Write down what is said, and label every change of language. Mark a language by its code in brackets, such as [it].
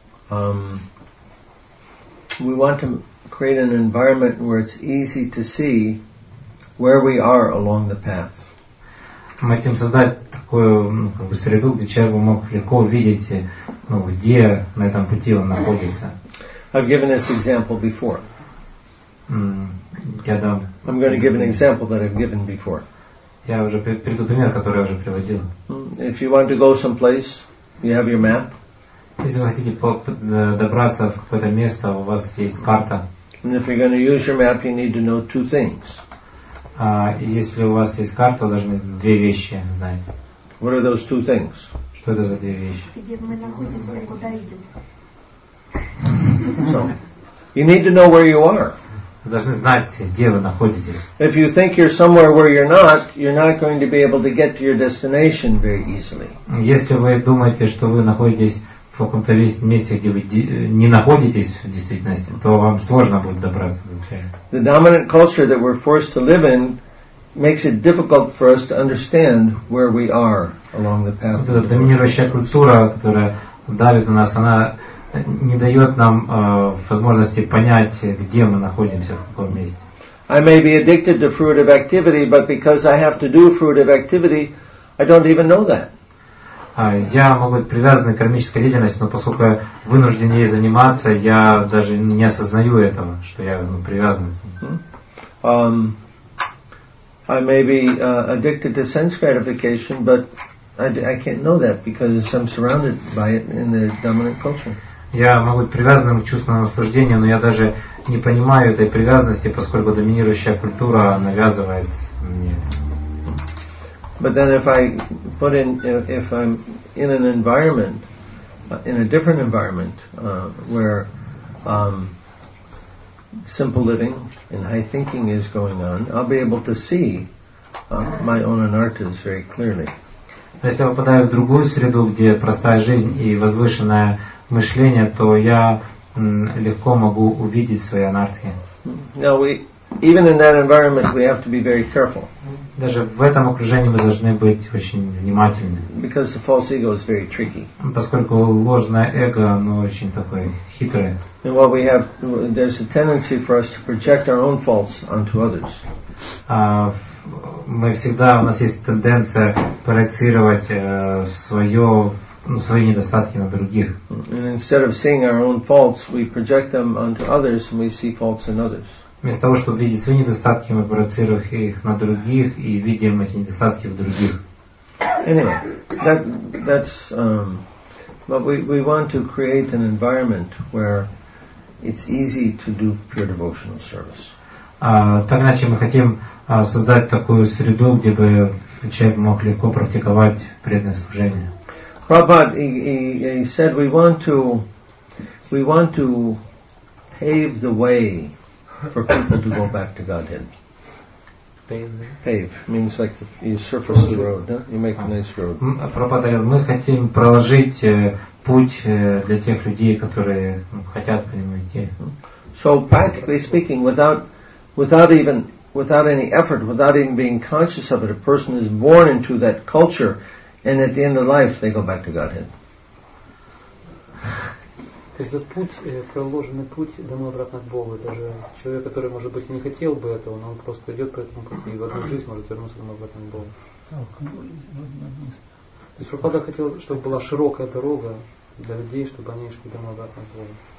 [en] We want to create an environment where it's easy to see where we are along the path. [ru] Мы хотим создать такую среду, где человек мог легко увидеть, где на этом пути он находится. [en] I've given this example before. I'm going to give an example that I've given before. [ru] Я уже приведу пример, который я уже приводил. [en] If you want to go someplace, you have your map. [ru] Если вы хотите добраться в какое-то место, у вас есть карта. [en] And if you're going to use your map, you need to know two things. [ru] Если у вас есть карта, вы должны две вещи знать. [en] What are those two things? [ru] Что это за две вещи? Где мы находимся и куда идем? [en] So, you need to know where you are. [ru] Вы должны знать, где вы находитесь. [en] If you think you're somewhere where you're not going to be able to get to your destination very easily. [ru] Если вы думаете, что вы находитесь в каком-то месте, где вы не находитесь в действительности, то вам сложно будет добраться до цели. [en] The dominant culture that we're forced to live in makes it difficult for us to understand where we are along the path. [ru] Эта доминирующая культура, которая давит на нас, она не дает нам возможности понять, где мы находимся, в каком месте. [en] I may be addicted to fruitive activity, but because I have to do fruitive activity, I don't even know that. [ru] Я могу быть привязан к кармической деятельности, но поскольку я вынужден ей заниматься, я даже не осознаю этого, что я привязан. [en] I may be addicted to sense gratification, but I can't know that because I'm surrounded by it in the dominant culture. [ru] Я могу быть привязанным к чувственному наслаждению, но я даже не понимаю этой привязанности, поскольку доминирующая культура навязывает мне это. [en] But then if I'm in an environment, in a different environment, where simple living and high thinking is going on, I'll be able to see my own anarthas very clearly. [ru] Но если я попадаю в другую среду, где простая жизнь и возвышенное мышление, то я легко могу увидеть свои анартхи. [en] Now we, even in that environment, we have to be very careful. [ru] Даже в этом окружении мы должны быть очень внимательны. [en] Because the false ego is very tricky. [ru] Поскольку ложное эго, оно очень такое хитрое. [en] And what we have, there's a tendency for us to project our own faults onto others. [ru] Мы всегда, у нас есть тенденция проецировать свое, ну, свои недостатки на других. [en] And instead of seeing our own faults, we project them onto others, and we see faults in others. [ru] Вместо того, чтобы видеть свои недостатки, мы проецируем их на других и видим эти недостатки в других. [en] Anyway, that's but we want to create an environment where it's easy to do pure devotional service. [ru] Так иначе мы хотим создать такую среду, где бы человек мог легко практиковать преданное служение. [en] Prabhupada, he said we want to pave the way for people to go back to Godhead. Pave means like the, you surface the road, huh? You make a nice road. [ru] Prabhupada, мы хотим проложить путь для тех людей, которые хотят к нему идти. [en] So practically speaking, without any effort, without even being conscious of it, a person is born into that culture, and at the end of life, they go back to Godhead. [ru] То есть этот путь, проложенный путь домой обратно к Богу, даже человек, который, может быть, не хотел бы этого, но он просто идет по этому пути и в одну жизнь может вернуться домой обратно к Богу. То есть Прабхупада хотел, чтобы была широкая дорога для людей, чтобы они шли домой обратно к Богу.